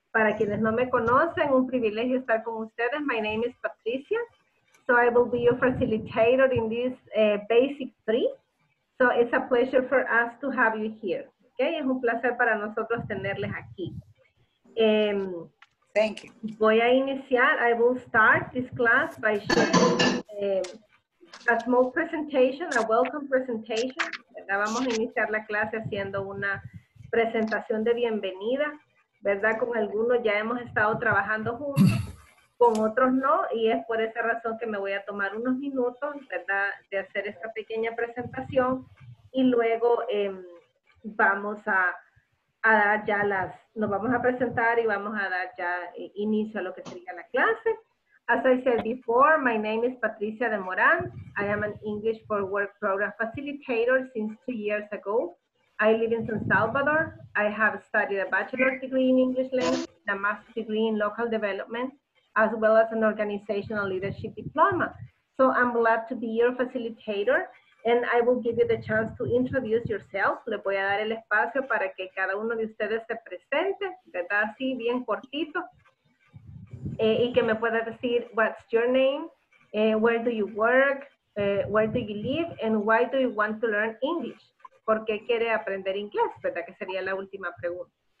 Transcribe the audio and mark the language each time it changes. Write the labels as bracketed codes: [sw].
[es] Para quienes no me conocen, un privilegio estar con ustedes. [en] My name is Patricia. So I will be your facilitator in this basic three. So it's a pleasure for us to have you here. [es] Okay, es un placer para nosotros tenerles aquí. [en] Thank you. [es] Voy a iniciar. [en] I will start this class by sharing a small presentation, a welcome presentation. [es] ¿Verdad? Vamos a iniciar la clase haciendo una presentación de bienvenida, ¿verdad? Con algunos ya hemos estado trabajando juntos. Con otros no, y es por esa razón que me voy a tomar unos minutos, ¿verdad?, de hacer esta pequeña presentación y luego vamos a dar ya las, nos vamos a presentar y vamos a dar ya inicio a lo que sería la clase. [en] As I said before, my name is Patricia de Morán. I am an English for Work Program Facilitator since 2 years ago. I live in San Salvador. I have studied a bachelor's degree in English Language and a master's degree in Local Development, as well as an organizational leadership diploma. So I'm glad to be your facilitator, and I will give you the chance to introduce yourself. [es] Le voy a dar el espacio para que cada uno de ustedes se presente, ¿verdad? Así, bien cortito, y que me pueda decir, [en] what's your name, where do you work, where do you live, and why do you want to learn English? [es] ¿Por qué quiere aprender inglés? ¿Verdad? Que sería la última pregunta.